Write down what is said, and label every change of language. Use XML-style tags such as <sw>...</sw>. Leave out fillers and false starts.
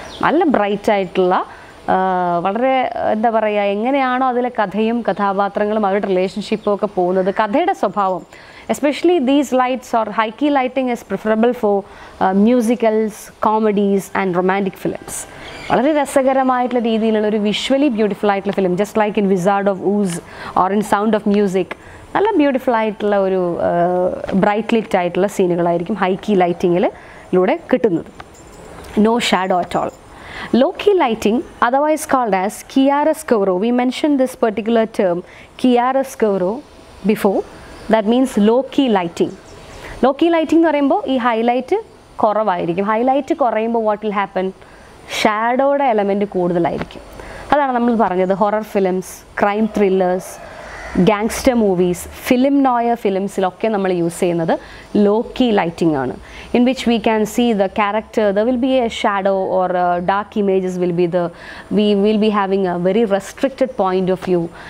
<ml>നല്ല ബ്രൈറ്റ് ആയിട്ടുള്ള, വളരെ എന്താ പറയുക, എങ്ങനെയാണോ അതിലെ കഥയും കഥാപാത്രങ്ങളും അവരുടെ റിലേഷൻഷിപ്പും ഒക്കെ പോകുന്നത്, കഥയുടെ സ്വഭാവം,</ml> <en>Especially these lights or high key lighting is preferable for musicals, comedies and romantic films.</en> <ml>വളരെ രസകരമായിട്ടുള്ള രീതിയിലുള്ള ഒരു വിഷ്വലി ബ്യൂട്ടിഫുൾ ആയിട്ടുള്ള film,</ml> <en>just like in Wizard of Oz or in Sound of Music,</en> <ml>നല്ല ബ്യൂട്ടിഫുൾ ആയിട്ടുള്ള ഒരു ബ്രൈറ്റ് ലിറ്റ് ആയിട്ടുള്ള സീനുകളായിരിക്കും high key ലൈറ്റിങ്ങിലൂടെ കിട്ടുന്നത്.</ml> <en>No shadow at all. Low key lighting, otherwise called as chiaroscuro, we mentioned this particular term chiaroscuro before, that means low key lighting. Low key lighting</en> <ml>nu parayumbo ee</ml> <en>highlight</en> <ml>കുറവായിരിക്കും. Highlight കുറയുമ്പോൾ</ml> <en>what will happen,</en> <ml>ഷാഡോയുടെ element കൂടുതലായിരിക്കും. അതാണ് നമ്മൾ പറഞ്ഞത്, horror films, crime thrillers, gangster movies, film noir ഫിലിംസിലൊക്കെ നമ്മൾ use ചെയ്യുന്നത് Lockie lighting ആണ്.</ml> <en>In which we can see the character, there will be a shadow or dark images will be the we will be having a very restricted point of view.</en>